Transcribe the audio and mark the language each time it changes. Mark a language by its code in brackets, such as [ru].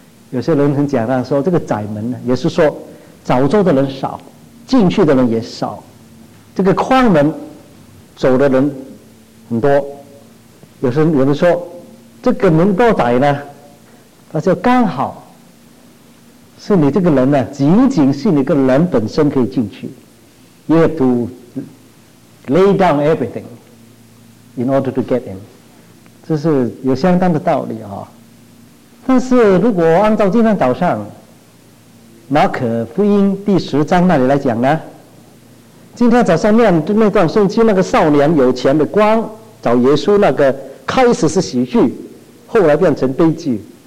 [zh] 有些人很讲到说这个窄门呢，也是说早走的人少，进去的人也少，这个宽门走的人很多。有时有人说这个门多窄呢，他说刚好是你这个人呢，仅仅是你个人本身可以进去。 [en] You have to lay down everything in order to get in， [zh] 这是有相当的道理啊。但是如果按照今天早上马可福音第十章那里来讲呢，今天早上念那段圣经，那个少年有钱的官找耶稣，那个开始是喜剧，后来变成悲剧。